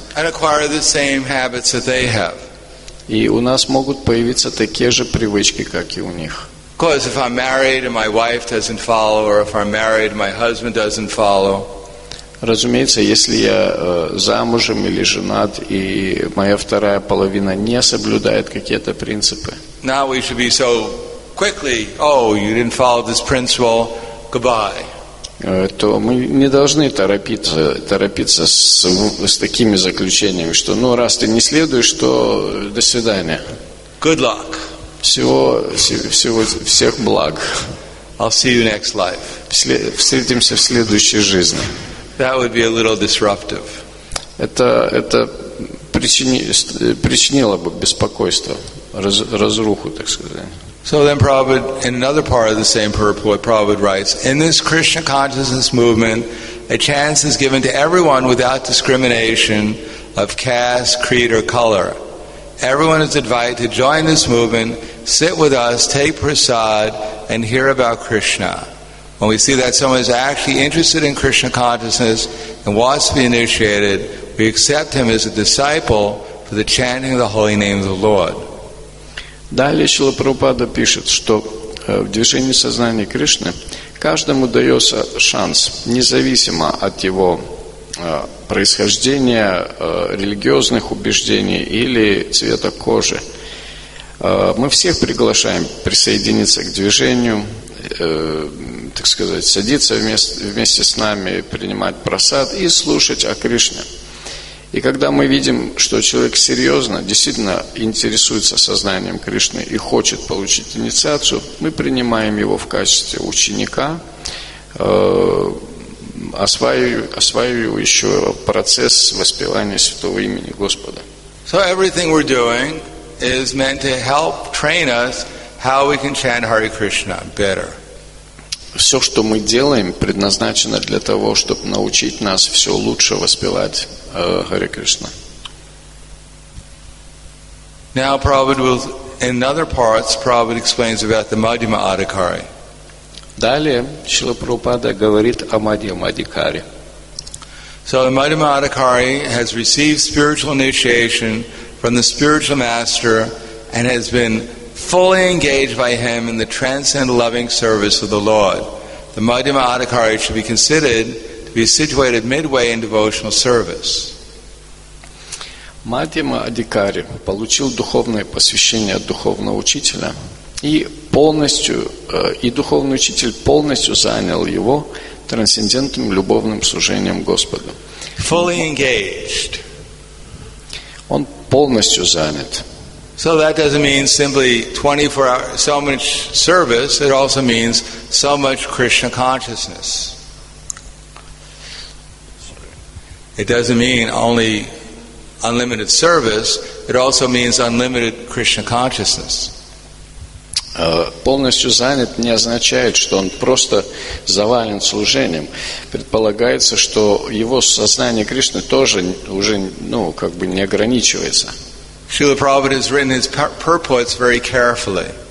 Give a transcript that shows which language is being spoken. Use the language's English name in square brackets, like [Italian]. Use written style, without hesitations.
[English] And acquire the same habits that they have. [Russian] И у нас могут появиться такие же привычки, как и у них. [English] Because if I'm married and my wife doesn't follow, or if I'm married and my husband doesn't follow. [Russian] Разумеется, если я замужем или женат, и моя вторая половина не соблюдает какие-то принципы. [English] Now we should be so quickly, oh, you didn't follow this principle, goodbye. [Russian] То мы не должны торопиться с такими заключениями, что, ну, раз ты не следуешь, то до свидания. [English] Good luck. [Russian] Всех благ. [English] I'll see you next life. [Russian] Встретимся в следующей жизни. [English] That would be a little disruptive. [Russian] Это причинило бы беспокойство, разруху, так сказать. [English] So then Prabhupada, in another part of the same purport, Prabhupada writes, in this Krishna consciousness movement, a chance is given to everyone without discrimination of caste, creed, or color. Everyone is invited to join this movement, sit with us, take prasad, and hear about Krishna. When we see that someone is actually interested in Krishna consciousness and wants to be initiated, we accept him as a disciple for the chanting of the holy name of the Lord. [Russian] Далее Шрила Прабхупада пишет, что в движении сознания Кришны каждому дается шанс, независимо от его происхождения, религиозных убеждений или цвета кожи. Мы всех приглашаем присоединиться к движению, так сказать, садиться вместе с нами, принимать прасад и слушать о Кришне. И когда мы видим, что человек серьезно, действительно интересуется сознанием Кришны и хочет получить инициацию, мы принимаем его в качестве ученика, осваивающего процесс воспевания святого имени Господа. [English] So everything we're doing is meant to help train us how we can chant Hare Krishna better. [Russian] Все, что мы делаем, предназначено для того, чтобы научить нас все лучше воспевать Харе Кришна. [English] Now, Prabhupada explains about the Madhyama Adhikari. [Russian] Далее Шрила Прабхупада говорит о Мадхьяма Адхикари. [English] So the Madhyama Adhikari has received spiritual initiation from the spiritual master and has been fully engaged by him in the transcendental loving service of the Lord. The Madhyama Adhikari should be considered to be situated midway in devotional service. [Russian] Madhyama Adhikari получил духовное посвящение от духовного учителя и полностью, и духовный учитель полностью занял его трансцендентным любовным служением Господу. [English] Fully engaged. [Russian] Он полностью занят. [English] So that doesn't mean simply 24 hours, so much service. It also means so much Krishna consciousness. It doesn't mean only unlimited service. It also means unlimited Krishna consciousness. [Russian] Полностью занят не означает, что он просто завален служением. Предполагается, что его сознание Кришны тоже уже, ну, как бы не ограничивается. [English] Srila Prabhupada has written his purports very carefully.